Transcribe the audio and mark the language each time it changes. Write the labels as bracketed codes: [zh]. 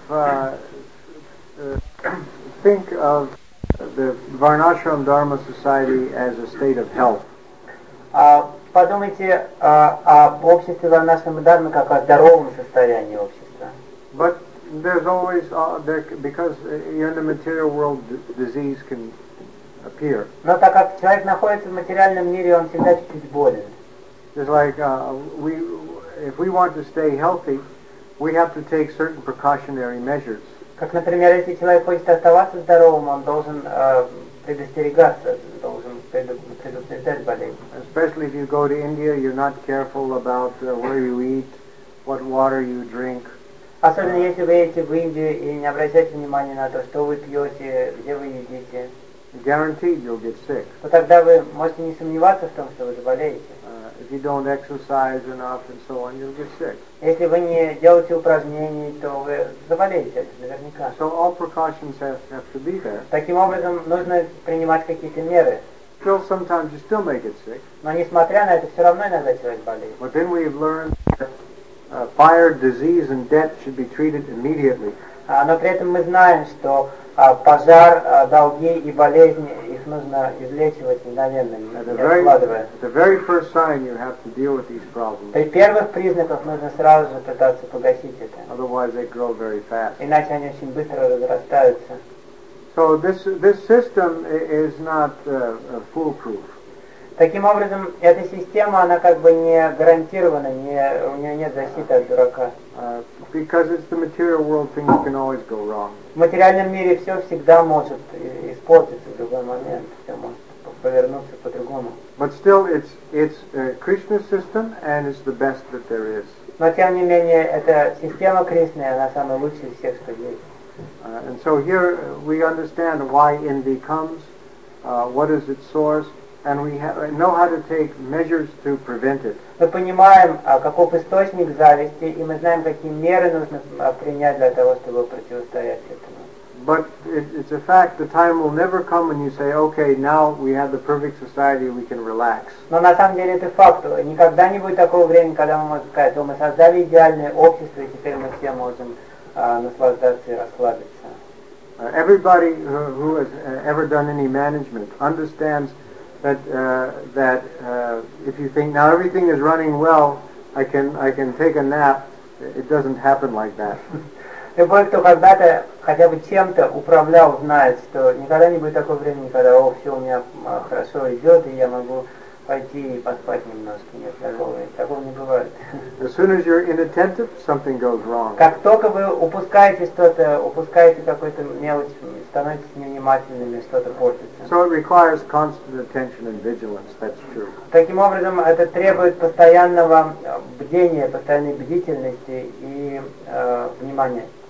[en] Think of the Varnashram Dharma Society as a state of health. [ru] Подумайте об обществе в нашем дарме как о здоровом состоянии общества. [en] But there's always because in the material world disease can appear. [ru] Но так как человек находится в материальном мире, он всегда чуть-чуть болен. [en] It's like if we want to stay healthy, we have to take certain precautionary measures. [ru] Как, например, если человек хочет оставаться здоровым, он должен предостерегаться. [en] Especially if you go to India, you're not careful about where you eat, what water you drink. [ru] Особенно если вы едете в Индию и не обращаете внимания на то, что вы пьете, где вы едите. [en] Guaranteed, you'll get sick. [ru] То тогда вы можете не сомневаться в том, что вы заболеете. [en] If you don't exercise enough and so on, you'll get sick. [ru] Если вы не делаете упражнений, то вы заболеете, наверняка. [en] So all precautions have to be there. [ru] Таким образом, нужно принимать какие-то меры. [en] Still, sometimes you still may get sick. [ru] Но несмотря на это, все равно иногда человек болеет. [en] But then we've learned that fire, disease, and death should be treated immediately. [ru] Но при этом мы знаем, что пожар, долги и болезни, их нужно излечивать мгновенно, не откладывая. [en] The very first sign you have to deal with these problems. [ru] При первых признаках нужно сразу же пытаться погасить это. [en] Otherwise they grow very fast. [ru] Иначе они очень быстро разрастаются. [en] So this system is not foolproof. [ru] Таким образом, эта система, она как бы не гарантирована, не, у нее нет защиты от дурака. [en] Because it's the material world, things can always go wrong. [ru] В материальном мире все всегда может испортиться в другой момент, все может повернуться по-другому. [en] But still, it's Krishna's system, and it's the best that there is. [ru] Но тем не менее, эта система Кришны, она самая лучшая из всех, что есть. [en] And so here we understand why envy comes, what is its source, and we know how to take measures to prevent it. [ru] Мы понимаем, каков источник зависти, и мы знаем, какие меры нужно принять для того, чтобы противостоять этому. [en] But it's a fact, the time will never come when you say, okay, now we have the perfect society, we can relax. [ru] Но на самом деле это факт. Никогда не будет такого времени, когда мы можем сказать, что мы создали идеальное общество, и теперь мы все можем наслаждаться и расслабиться. [en] Everybody who has ever done any management understands that if you think now everything is running well, I can take a nap, it doesn't happen like that. [ru] Любой, кто когда-то хотя бы чем-то управлял, знает, что никогда не будет такого времени, когда о, все у меня хорошо идет, и я могу пойти и поспать немножко, нет, такого не бывает. [en] As soon as you're inattentive, something goes wrong. [ru] Как только вы упускаете что-то, упускаете какую-то мелочь, становитесь невнимательными, что-то портится. [en] So it requires constant attention and vigilance, that's true. [ru] Таким образом, это требует постоянного бдения, постоянной бдительности и внимания.